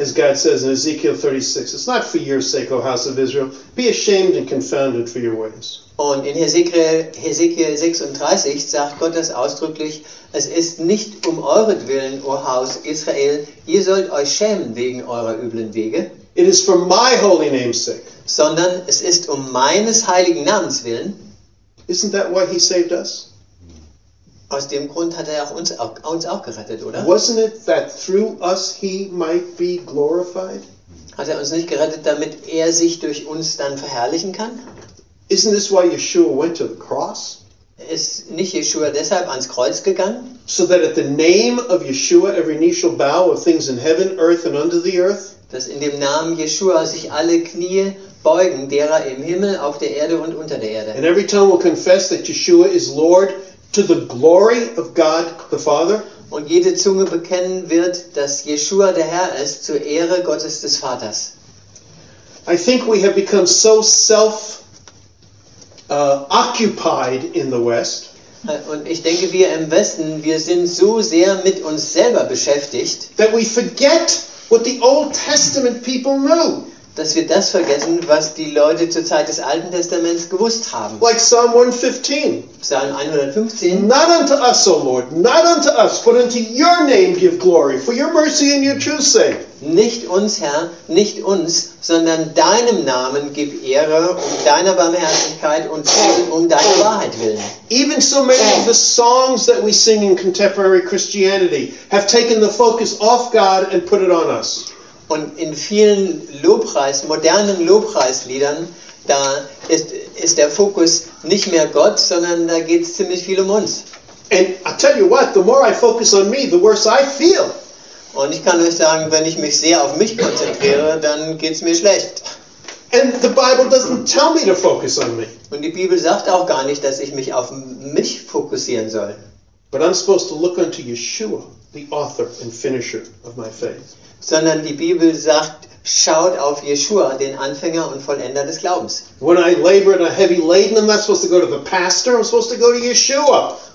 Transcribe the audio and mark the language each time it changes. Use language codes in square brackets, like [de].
[en] As God says in Ezekiel 36, it's not for your sake, O house of Israel. Be ashamed and confounded for your ways. [de] Und in Ezekiel 36 sagt Gott das ausdrücklich, es ist nicht um euret Willen, O Haus Israel. Ihr sollt euch schämen wegen eurer üblen Wege. [en] It is for my holy name's sake. [de] Sondern es ist um meines heiligen Namens Willen. [en] Isn't that why he saved us? [de] Aus dem Grund hat er uns auch gerettet, oder? [en] Wasn't it that through us he might be glorified? [de] Hat er uns nicht gerettet, damit er sich durch uns dann verherrlichen kann? [en] Isn't this why Yeshua went to the cross? [de] Ist nicht Yeshua deshalb ans Kreuz gegangen? [en] So that at the name of Yeshua every knee shall bow of things in heaven, earth and under the earth? [de] Dass in dem Namen Yeshua sich alle Knie beugen, derer im Himmel, auf der Erde und unter der Erde. [en] And every tongue will confess that Yeshua is Lord to the glory of God the Father. [de] Und jede Zunge bekennen wird, dass Yeshua der Herr ist, zur Ehre Gottes des Vaters. [en] I think we have become so self occupied in the West. [de] Und ich denke, wir im Westen, wir sind so sehr mit uns selber beschäftigt, [en] that we forget what the Old Testament people knew. [de] Dass wir das vergessen, was die Leute zur Zeit des Alten Testaments gewusst haben. [en] Like Psalm 115. [de] Psalm 115. [en] Not unto us, O Lord, not unto us, but unto your name give glory, for your mercy and your truth's sake. [de] Nicht uns, Herr, nicht uns, sondern deinem Namen gib Ehre um deiner Barmherzigkeit und um deine Wahrheit willen. [en] Even so many of the songs that we sing in contemporary Christianity have taken the focus off God and put it on us. [de] Und in vielen Lobpreis, modernen Lobpreisliedern, da ist der Fokus nicht mehr Gott, sondern da geht es ziemlich viel um uns. [en] And I tell you what, the more I focus on me, the worse I feel. [de] Und ich kann euch sagen, wenn ich mich sehr auf mich konzentriere, dann geht es mir schlecht. [en] And the Bible doesn't tell me to focus on me. [de] Und die Bibel sagt auch gar nicht, dass ich mich auf mich fokussieren soll. [en] But I'm supposed to look unto Yeshua, the author and finisher of my faith. [de] Sondern die Bibel sagt, schaut auf Yeshua, den Anfänger und Vollender des Glaubens. [en] When I labor in a heavy laden, I'm not supposed to go to the pastor, I'm supposed to go to Yeshua.